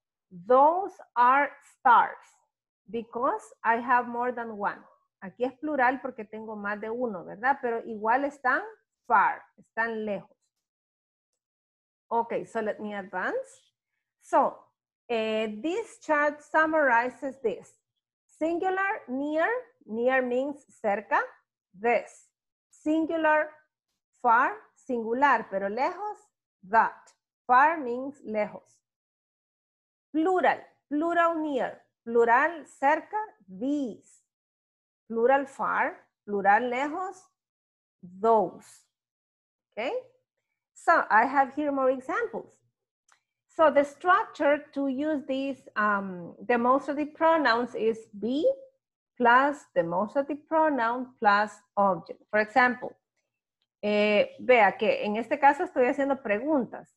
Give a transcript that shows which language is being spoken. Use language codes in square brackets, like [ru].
[en] Those are stars because I have more than one. [es] Aquí es plural porque tengo más de uno, ¿verdad? Pero igual están far, están lejos. [en] Okay, so let me advance. So, this chart summarizes this. Singular, near, near means cerca, this. Singular, far, singular, pero lejos, that. Far means lejos. Plural, plural near, plural cerca, these. Plural far, plural lejos, those. Okay? So, I have here more examples. So, the structure to use these demonstrative pronouns is be plus demonstrative pronoun plus object. For example, [es] vea que en este caso estoy haciendo preguntas.